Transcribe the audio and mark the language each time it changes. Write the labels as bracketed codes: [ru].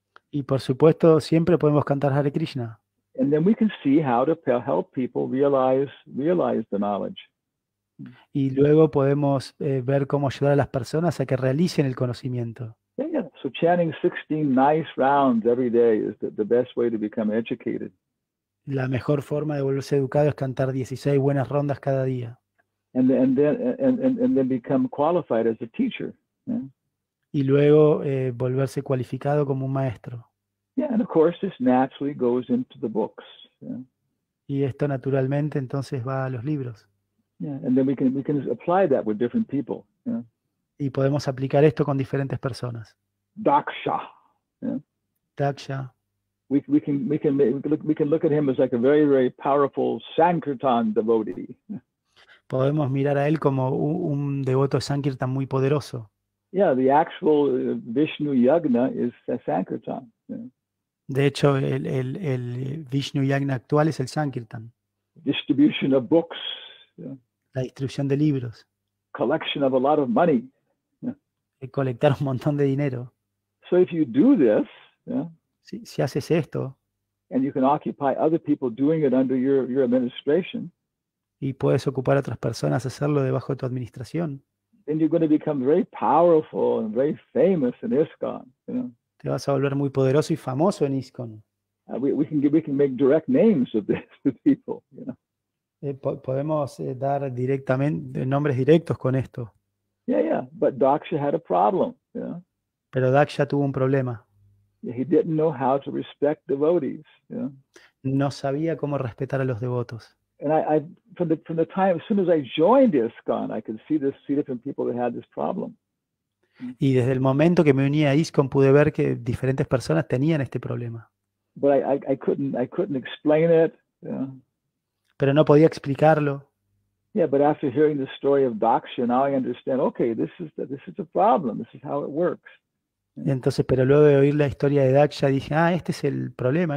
[es] Y por supuesto siempre podemos cantar Hare Krishna. [en] And then we can see how to help people realize the knowledge. [es] Y luego podemos ver cómo ayudar a las personas a que realicen el conocimiento. [en] So chanting 16 nice rounds every day is the best way to become educated. [es] La mejor forma de volverse educado es cantar 16 buenas rondas cada día. [en] And then become qualified as a teacher. [es] Y luego volverse cualificado como un maestro. [en] Yeah, and of course this naturally goes into the books. [es] Y esto naturalmente entonces va a los libros. [en] Yeah, and then we can apply that with different people. [es] Y podemos aplicar esto con diferentes personas. [en] Daksha. [es] Daksha. [en] We can look at him as like a very, very powerful Sankirtan devotee. [es] Podemos mirar a él como un devoto de Sankirtan muy poderoso. [en] Yeah, the actual Vishnu Yagna is a Sankirtan. [es] De hecho, el Vishnu Yagna actual es el Sankirtan. [en] Distribution of books. [es] La distribución de libros. [en] Collection of a lot of money. [es] Colectar un montón de dinero. [en] So if you do this, [es] Si haces esto, [en] and you can occupy other people doing it under your administration, [es] y puedes ocupar a otras personas hacerlo debajo de tu administración, [en] then you're going to become very powerful and very famous in ISKCON. [es] Te vas a volver muy poderoso y famoso en ISKCON. [en] We can make direct names of this to people. [es] Podemos dar directamente nombres directos con esto. [en] But Daksha had a problem. [es] Pero Daksha tuvo un problema. [en] He didn't know how to respect devotees. [es] No sabía cómo respetar a los devotos. [en] And I from the time as soon as I joined ISKCON, I could see different people that had this problem. [es] Y desde el momento que me uní a ISKCON pude ver que diferentes personas tenían este problema. [en] But I couldn't explain it. [es] Pero no podía explicarlo. [en] Yeah, but after hearing the story of Daksha, now I understand. Okay, this is a problem. This is how it works. [es] Entonces, pero luego de oír la historia de Daksha, dije, ah, este es el problema.